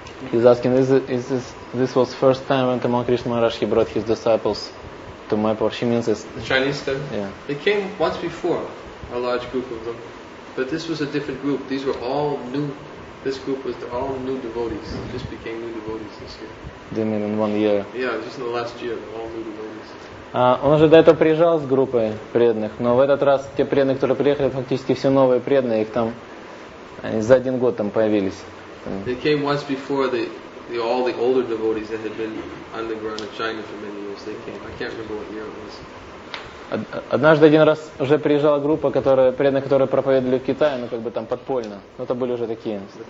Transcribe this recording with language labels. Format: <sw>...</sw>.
<en>He's asking, is this was first time when Tamal Krishna Maharaj he brought his disciples to Mayapur? She means it's the Chinese term? Yeah. They came once before, a large group of them. But this was a different group. These were all new. This group was all new devotees. They just became new devotees this year. They mean in 1 year. Yeah, just in the last year, all new devotees.</en> <ru>Он уже до этого приезжал с группой преданных, но в этот раз те преданные, которые приехали, фактически все новые преданные, их там они за один год там появились.</ru> <en>They came once before the older devotees that had been underground in China for many years. They came. I can't remember what year it was.</en> <ru>Однажды один раз уже приезжала группа, которая преданные, которые проповедовали в Китае, ну как бы там подпольно. Но это были уже такие.</ru>